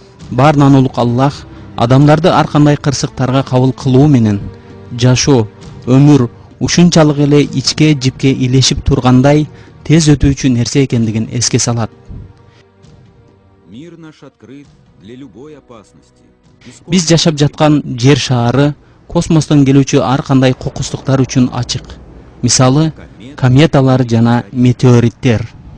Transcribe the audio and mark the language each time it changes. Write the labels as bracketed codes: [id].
[ky] Баарынан улук Аллах адамдарды ар кандай кырсыктарга кабыл кылуу менен жашоо, өмүр ушунчалык эле ичке жипке илешип тургандай тез өтүүчү нерсе экендигин эске салат. [ru] Мир наш открыт для любой опасности. [ky] Биз жашап жаткан жер шаары космостон келүүчү ар кандай кокустуктар үчүн ачык. Мисалы, кометалар жана метеориттер.